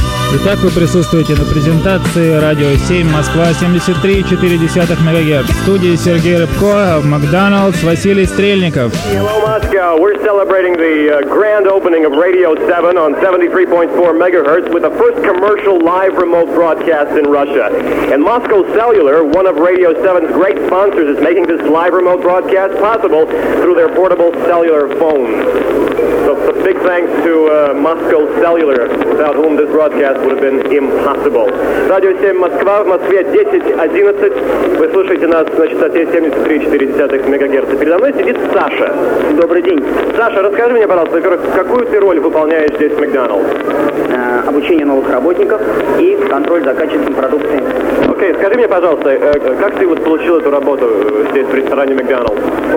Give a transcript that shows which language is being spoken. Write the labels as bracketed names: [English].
[Russian] Итак, вы присутствуете на презентации «Радио 7, Москва, 73,4 МГц». В студии Сергей Рыбко, «Макдоналдс», Василий Стрельников. [English] Hello, Moscow. We're celebrating the grand opening of Radio 7 on 73.4 MHz with the first commercial live remote broadcast in Russia. And Moscow Cellular, one of Radio 7's great sponsors, is making this live remote broadcast possible through their portable cellular phone. So a big thanks to Moscow Cellular, without whom this broadcast would have been impossible. [Russian] Radio 7 Москва, в Москве 10:11. Вы слушаете нас на частоте 73,4 МГц. Передо мной сидит Саша. Добрый день. Саша, расскажи мне, пожалуйста, во-первых, какую ты роль выполняешь здесь в McDonald's? Обучение новых работников и контроль за качеством продукции. Окей, скажи мне, пожалуйста, как ты вот получил эту работу здесь в ресторане McDonald's?